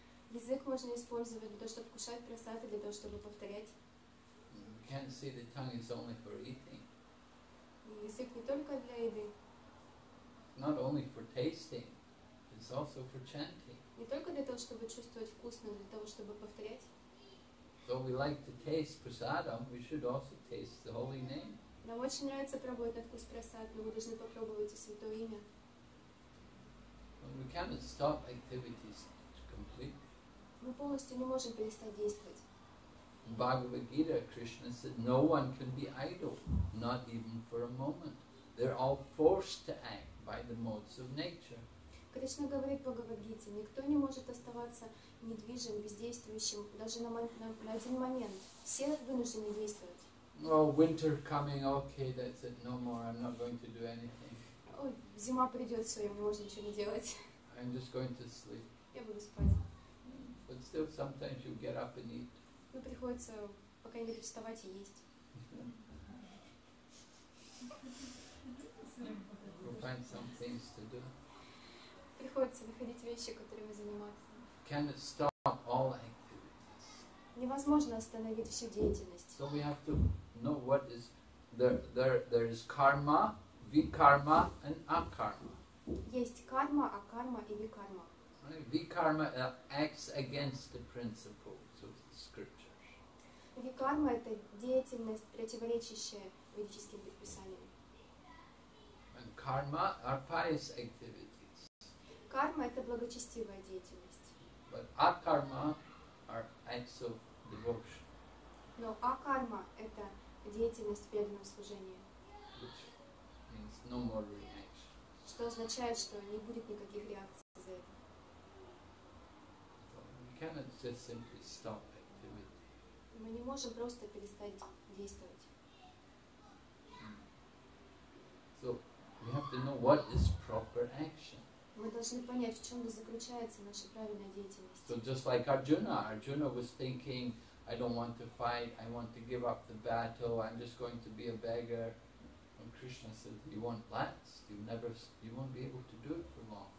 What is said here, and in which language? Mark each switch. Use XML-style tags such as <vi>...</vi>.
<ru>Язык можно использовать для того, чтобы кушать просад, для того, чтобы повторять.</ru> <en>You can't say the tongue is only for eating.</en> <ru>Язык не только для еды.</ru> <en>Not only for tasting, it's also for chanting.</en> <ru>Не только для того, чтобы чувствовать вкус, но для того, чтобы повторять.</ru> <en>So we like to taste prasadam, we should also taste the holy name.</en> <ru>Нам очень нравится пробовать на вкус просад, но мы должны попробовать и святое имя.</ru> <en>Well, we cannot stop activities completely.</en> <ru>Мы полностью не можем перестать действовать.</ru> <en>In Bhagavad Gita, Krishna said, no one can be idle, not even for a moment. They're all forced to act by the modes of nature.</en> <ru>Krishna говорит в Бхагавад-гите, никто не может оставаться недвижим, бездействующим, даже на один момент. Все вынуждены действовать.</ru> <en>Oh, winter coming, okay, that's it, no more, I'm not going to do anything.</en> <ru>Зима придет, все, я не могу ничего не делать.</ru> <en>I'm just going to sleep.</en> <ru>Я буду спать.</ru> <en>But still, sometimes you get up and eat.</en> <ru>Ну, приходится, по крайней мере, вставать и есть.</ru> <en>We'll find some things to do.</en> <ru>Приходится находить вещи, которыми заниматься.</ru> <en>Cannot stop all activities.</en> <ru>Невозможно остановить всю деятельность.</ru> <en>So we have to know what is there is karma, vikarma and akarma.</en> <ru>Есть карма, акарма и викарма.</ru> <en>Vikarma acts against the principles of the scriptures.</en> <ru>Викарма — это деятельность, противоречащая ведическим предписаниям.</ru> <en>And karma are pious activities.</en> <ru>Карма — это благочестивая деятельность.</ru> <en>But акарма are acts of devotion.</en> <ru>Но акарма — это деятельность в преданном служении.</ru> <en>Which means no more reaction.</en> <ru>Что означает, что не будет никаких реакций за это.</ru> <en>So we cannot just simply stop activity.</en> <ru>Мы не можем просто перестать действовать.</ru> <en>So we have to know what is proper action.</en> <ru>Мы должны понять, в чем заключается наша правильная деятельность.</ru> <en>So just like Arjuna. Arjuna was thinking, I don't want to fight, I want to give up the battle, I'm just going to be a beggar. And Krishna said, you won't last, you won't be able to do it for long.</en>